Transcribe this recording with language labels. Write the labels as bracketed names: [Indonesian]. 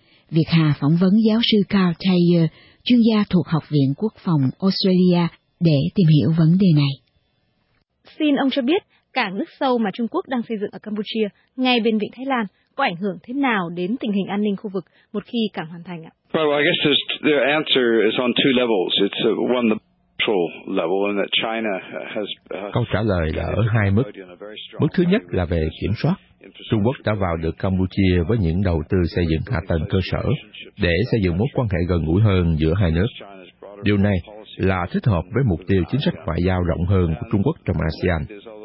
[Vietnamese] Việt Hà phỏng vấn giáo sư Carl Taylor, chuyên gia thuộc Học viện Quốc phòng Australia, để tìm hiểu vấn đề này. Xin ông cho biết, cảng nước sâu mà Trung Quốc đang xây dựng ở Campuchia, ngay bên vịnh Thái Lan, có ảnh hưởng thế nào đến tình hình an ninh khu vực một khi cảng hoàn thành ạ? [English] Well, I guess the answer is on two levels. It's one the cultural level and that China has. [Vietnamese] Câu trả lời là ở hai mức. Mức thứ nhất là về kiểm soát. Trung Quốc đã vào được Campuchia với những đầu tư xây dựng hạ tầng cơ sở để xây dựng mối quan hệ gần gũi hơn giữa hai nước. Điều này là thích hợp với mục tiêu chính sách ngoại giao rộng hơn của Trung Quốc trong ASEAN.